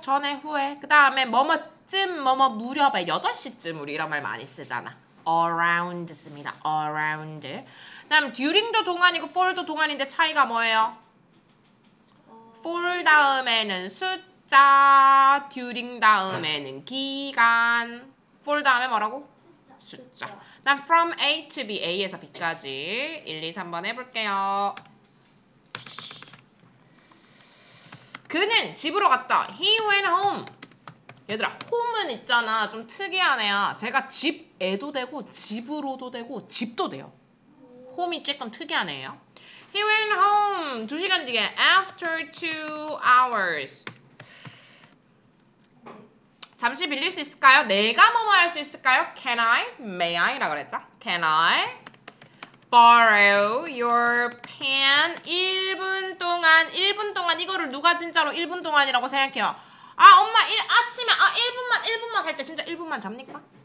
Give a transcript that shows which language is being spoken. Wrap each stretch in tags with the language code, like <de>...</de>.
<ko>전에 후에 그 다음에 뭐뭐쯤 뭐뭐 무렵에 8시쯤 우리 이런 말 많이 쓰잖아.</ko> <en>Around 씁니다. Around.</en> <ko>다음</ko> <en>during도</en> <ko>동안이고</ko> <en>for도</en> <ko>동안인데 차이가 뭐예요?</ko> <en>For 다음에는</en> <ko>숫자,</ko> <en>during 다음에는</en> <ko>기간,</ko> <en>for 다음에</en> <ko>뭐라고? 숫자. 난</ko> <en>from A to B,</en> <ko>A에서 B까지 1, 2, 3번 해볼게요. 그는 집으로 갔다.</ko> <en>He went home.</en> <ko>얘들아, home은 있잖아. 좀 특이하네요. 제가 집에도 되고 집으로도 되고 집도 돼요. home이 조금 특이하네요.</ko> <en>He went home</en> <ko>2시간 뒤에</ko> <en>after 2 hours.</en> <ko>잠시 빌릴 수 있을까요? 내가 뭐뭐 할 수 있을까요?</ko> <en>Can I? May I?</en> <ko>라고 그랬죠?</ko> <en>Can I borrow your pen?</en> <ko>1분 동안, 1분 동안 이거를 누가 진짜로 1분 동안이라고 생각해요? 아 엄마 일, 아침에 아 1분만, 1분만 할 때 진짜 1분만 잡니까?</ko>